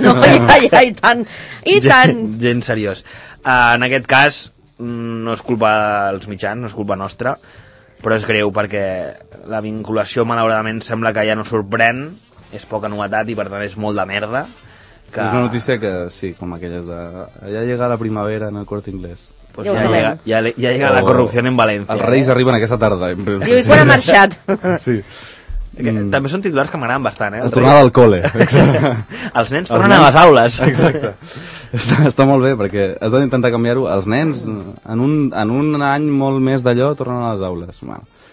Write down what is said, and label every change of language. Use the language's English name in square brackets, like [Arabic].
[Catalan] No, i tant, i gent, tant. Gent seriós. En aquest cas, no és culpa dels mitjans, no és culpa nostra, però és greu perquè la vinculació, malauradament, sembla que ja no sorprèn, és poca novetat i, per tant, és molt de merda. Que... És una notícia que, sí, com aquelles de... [Spanish] Ja llega la primavera en el Corte Inglés. [Catalan] Pues ja ho sabem. [Spanish] Ja llega la corrupció en València. [Catalan] Els Reis arriben aquesta tarda. Diu, i quan ha marxat? Sí. També són titulars que m'agraden bastant, eh? La tornada al cole. Els nens tornen a les aules. Exacte. Està molt bé, perquè has d'intentar canviar-ho. Els nens, en un any molt més d'allò, tornen a les aules. Mal.